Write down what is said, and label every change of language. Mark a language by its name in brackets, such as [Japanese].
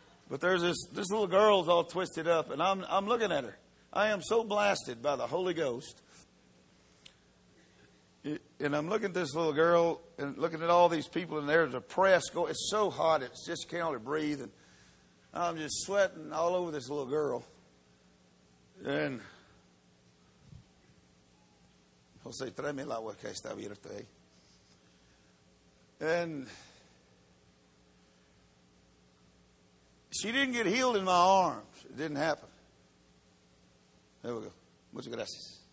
[English] But there's this little girl's all twisted up, and I'm looking at her. I am so blasted by the Holy Ghost. And I'm looking at this little girl and looking at all these people in there. There's a press going. It's so hot, it's just can't hardly breathe. And I'm just sweating all over this little girl. [Spanish] And Jose, tráeme el agua que está abierta. [English] And she didn't get healed in my arms. It didn't happen. There we go. [Spanish] Muchas gracias.